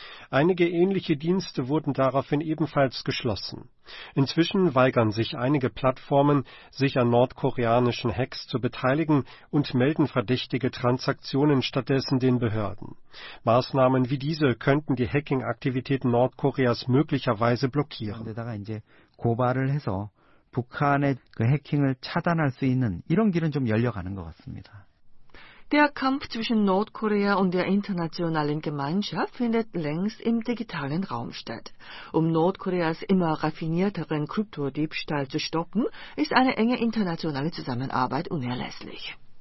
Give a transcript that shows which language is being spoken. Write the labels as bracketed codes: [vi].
[de] Einige ähnliche Dienste wurden daraufhin ebenfalls geschlossen. Inzwischen weigern sich einige Plattformen, sich an nordkoreanischen Hacks zu beteiligen und melden verdächtige Transaktionen stattdessen den Behörden. Maßnahmen wie diese könnten die Hacking-Aktivitäten Nordkoreas möglicherweise blockieren. [ko] 그런데다가 이제 고발을 해서 북한의 그 해킹을 차단할 수 있는 이런 길은 좀 열려가는 것 같습니다. [de] Der Kampf zwischen Nordkorea und der internationalen Gemeinschaft findet längst im digitalen Raum statt. Um Nordkoreas immer raffinierteren Kryptodiebstahl zu stoppen, ist eine enge internationale Zusammenarbeit unerlässlich.